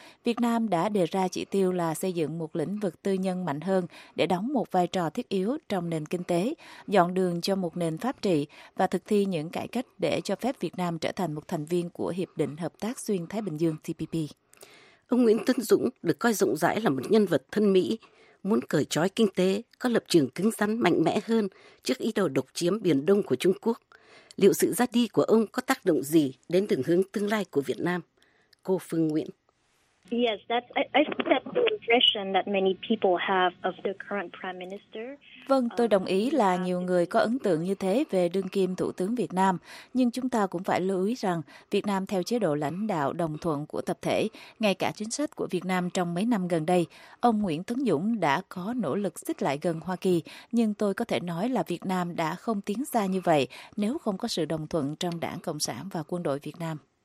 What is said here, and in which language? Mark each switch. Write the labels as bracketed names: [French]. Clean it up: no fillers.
[Vietnamese] Việt Nam đã đề ra chỉ tiêu là xây dựng một lĩnh vực tư nhân mạnh hơn để đóng một vai trò thiết yếu trong nền kinh tế, dọn đường cho một nền pháp trị và thực thi những cải cách để cho phép Việt Nam trở thành một thành viên của Hiệp định Hợp tác Xuyên Thái Bình Dương TPP. Ông Nguyễn Tấn Dũng được coi rộng rãi là một nhân vật thân Mỹ, muốn cởi trói kinh tế, có lập trường cứng rắn mạnh mẽ hơn trước ý đồ độc chiếm Biển Đông của Trung Quốc. Liệu sự ra đi của ông có tác động gì đến đường hướng tương lai của Việt Nam? Cô Phương Nguyễn. [English] Yes, that's the impression that many people have of the current prime minister. [Vietnamese] Vâng, tôi đồng ý là nhiều người có ấn tượng như thế về đương kim thủ tướng Việt Nam, nhưng chúng ta cũng phải lưu ý rằng Việt Nam theo chế độ lãnh đạo đồng thuận của tập thể, ngay cả chính sách của Việt Nam trong mấy năm gần đây, ông Nguyễn Tấn Dũng đã có nỗ lực xích lại gần Hoa Kỳ, nhưng tôi có thể nói là Việt Nam đã không tiến xa như vậy nếu không có sự đồng thuận trong Đảng Cộng sản và quân đội Việt Nam.